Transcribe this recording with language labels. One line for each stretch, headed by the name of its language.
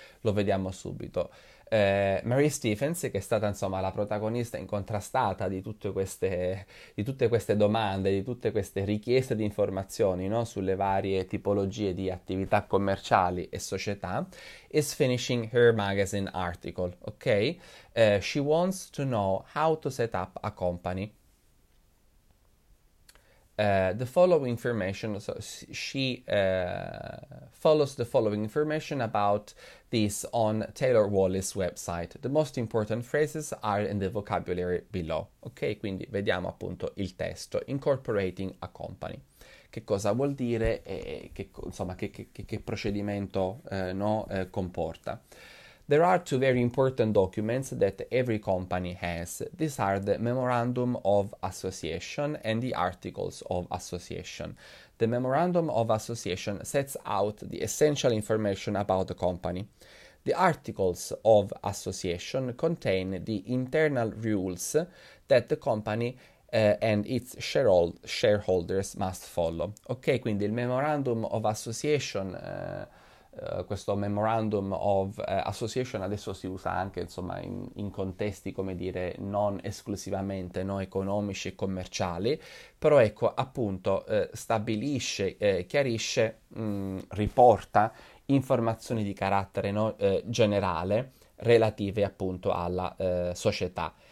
Italian: Lo vediamo subito. Mary Stephens, che è stata insomma la protagonista incontrastata di tutte queste domande, di tutte queste richieste di informazioni, no? Sulle varie tipologie di attività commerciali e società,
English: is finishing her magazine article, ok? She wants to know how to set up a company. The following information, so she follows the following information about this on Taylor Wallace's website. The most important phrases are in the vocabulary below.
Italian: Ok, quindi vediamo appunto il testo.
English: Incorporating a company.
Italian: Che cosa vuol dire e che, insomma, che procedimento no, comporta.
English: There are two very important documents that every company has. These are the Memorandum of Association and the Articles of Association. The Memorandum of Association sets out the essential information about the company. The Articles of Association contain the internal rules that the company and its shareholders must follow.
Italian: Ok, quindi il Memorandum of Association. Questo memorandum of association adesso si usa anche insomma in contesti come dire non esclusivamente no, economici e commerciali, però ecco appunto stabilisce, chiarisce, riporta informazioni di carattere no, generale relative appunto alla società.